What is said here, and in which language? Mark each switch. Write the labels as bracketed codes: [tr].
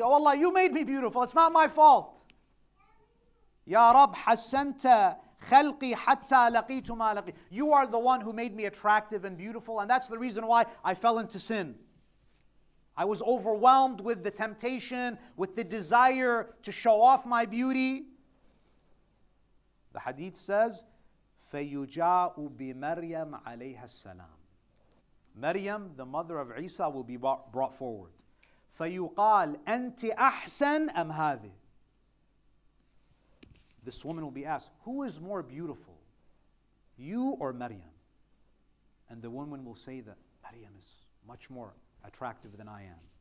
[en] Oh Allah, you made me beautiful. It's not my fault. [ar] Ya Rab, hassanta khalqi hatta laqitu ma laqi. [en] You are the one who made me attractive and beautiful, and that's the reason why I fell into sin. I was overwhelmed with the temptation, with the desire to show off my beauty. The hadith says, [ar] فَيُجَاءُ بِمَرْيَمْ عَلَيْهَا السَّلَامُ. [en] Maryam, the mother of Isa, will be brought forward. [ar] فَيُقَالْ أَنْتِ أَحْسَنْ أَمْ هَذِي. [en] This woman will be asked, who is more beautiful, you or Maryam? And the woman will say that Maryam is much more attractive than I am.